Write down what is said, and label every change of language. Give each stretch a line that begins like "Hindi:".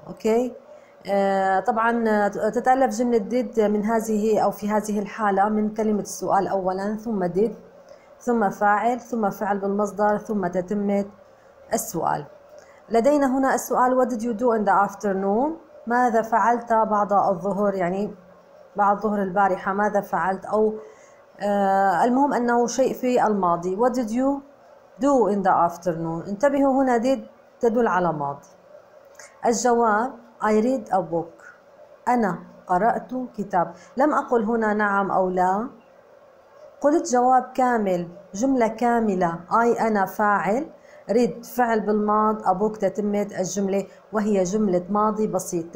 Arabic: أوكي، طبعا تتألف جملة did من هذه أو في هذه الحالة من كلمة السؤال أولا ثم did ثم فاعل ثم فعل بالمصدر ثم تتمة السؤال. لدينا هنا السؤال
English: What did you do in the afternoon؟
Arabic: ماذا فعلت بعد الظهر، يعني بعد ظهر البارحة ماذا فعلت، أو المهم أنه شيء في الماضي.
English: What did you do in the afternoon؟
Arabic: انتبهوا هنا did تدل على ماضي. الجواب
English: I read a book،
Arabic: أنا قرأت كتاب، لم أقل هنا نعم أو لا، قلت جواب كامل، جملة كاملة، I أنا فاعل، ريد فعل بالماض، أبوك تتمت الجملة وهي جملة ماضي بسيط.